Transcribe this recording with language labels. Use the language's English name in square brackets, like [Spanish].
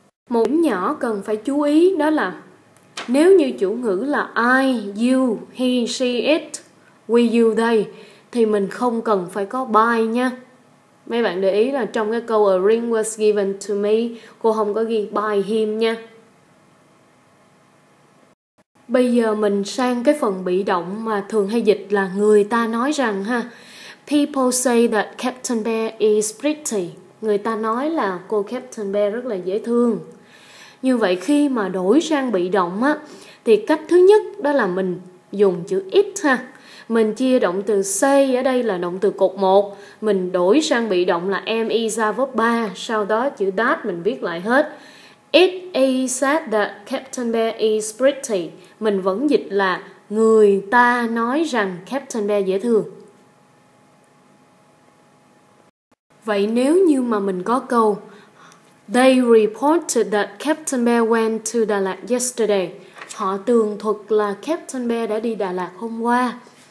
[Vietnamese] Một điểm nhỏ cần phải chú ý đó là nếu như chủ ngữ là I, you, he, she, it, we, you, they thì mình không cần phải có by nha. Mấy bạn để ý là trong cái câu a ring was given to me, cô không có ghi by him nha. Bây giờ mình sang cái phần bị động mà thường hay dịch là người ta nói rằng ha. [English] People say that Captain Bear is pretty. [Vietnamese] Người ta nói là cô Captain Bear rất là dễ thương. Như vậy khi mà đổi sang bị động á, thì cách thứ nhất đó là mình dùng chữ it ha. Mình chia động từ say ở đây là động từ cột 1. Mình đổi sang bị động là am is a verb 3. Sau đó chữ that mình viết lại hết. [English] It is said that Captain Bear is pretty. [Vietnamese] Mình vẫn dịch là người ta nói rằng Captain Bear dễ thương. Vậy nếu như mà mình có câu [English] they reported that Captain Bear went to Đà Lạt yesterday. [Vietnamese] Họ tường thuật là Captain Bear đã đi Đà Lạt hôm qua.